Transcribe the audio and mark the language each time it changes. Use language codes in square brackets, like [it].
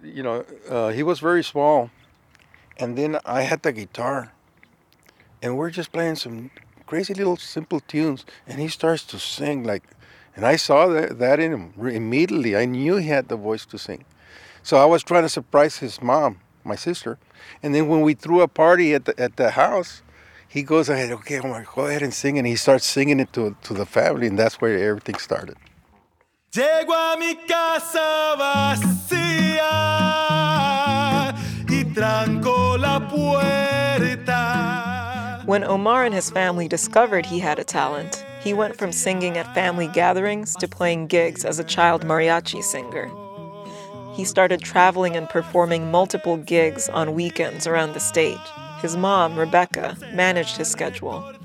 [en] You know, he was very small, and then I had the guitar, and we're just playing some crazy little simple tunes, and he starts to sing like, and I saw that in him immediately. I knew he had the voice to sing. So I was trying to surprise his mom, my sister, and then when we threw a party at the house, he goes ahead, okay, I'm like, go ahead and sing, and he starts singing it to the family, and that's where everything started. [es] Llego a mi casa vacía y tranco la puerta. [en] When Omar and his family discovered he had a talent, he went from singing at family gatherings to playing gigs as a child mariachi singer. He started traveling and performing multiple gigs on weekends around the state. His mom, Rebecca, managed his schedule.